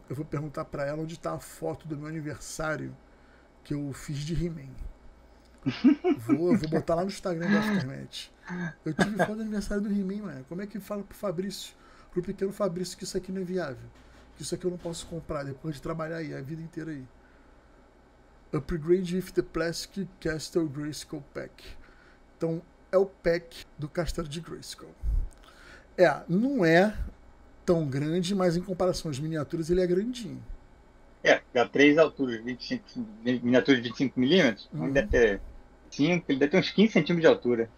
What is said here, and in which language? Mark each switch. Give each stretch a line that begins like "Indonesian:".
Portuguese: Eu vou perguntar pra ela onde tá a foto do meu aniversário que eu fiz de He-Man. Vou botar lá no Instagram da internet. Eu tive foto do aniversário do He-Man, mano. Como é que fala pro Fabrício, pro pequeno Fabrício, que isso aqui não é viável? Que isso aqui eu não posso comprar depois de trabalhar aí a vida inteira aí.
English: Upgrade with the Plastic Castle Grayskull Pack.
Portuguese: Então, é o pack do Castelo de Grayskull. É, não é tão grande, mas em comparação às miniaturas, ele é grandinho. É, dá 3 alturas, 25, miniatura de 25mm. Uhum. Ele deve ter 5, ele deve ter uns 15 centímetros de altura.